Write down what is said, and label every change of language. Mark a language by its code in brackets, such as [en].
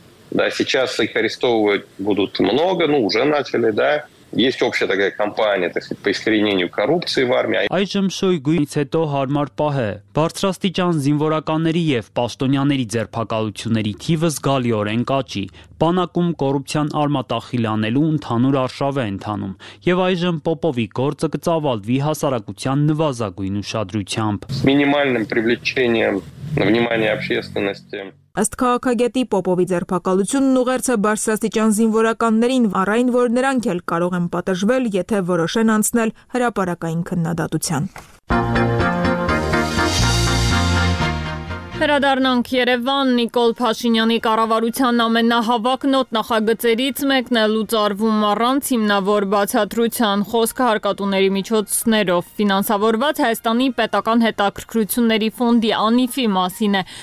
[ru] Да, сейчас их арестовывать будут много, ну, уже начали, да. Есть общая такая кампания, так сказать, по искоренению коррупции в армии. [hy] Այժմ Շոյգուից հետո հարմար պահ է։ Բարձրաստիճան զինվորականների եւ պաշտոնյաների ձերբակալությունների թիվը զգալիորեն կաճի։ Բանակում կոռուպցիան արմատախիլ անելու ընդհանուր արշավ է ընթանում, եւ այժմ Պոպովի գործը կծավալվի հասարակության նվազագույն ուշադրությամբ։ [ru] Մինիմալնեմ привлечением внимания общественности. [hy] Ըստ քաղաքագետի Պոպովի ձերբակալությունն ուղերձ է բարձրաստիճան զինվորականներին, առայն որ նրանք էլ կարող են պատժվել, եթե որոշեն անցնել հրապարակային քննադատության։ Հրադառնանք Երևան, Նիկոլ Փաշինյանի կառավարության ամենահավաք նոտ նախագծերից մեկն է լուծարվում առանց հիմնավոր բացատրության, խոսքը հարկատուների միջոցներով ֆինանսավորված Հայաստանի պետական հետաքրքրությունների ֆոնդի ԱՆԻՖ-ի մասին է,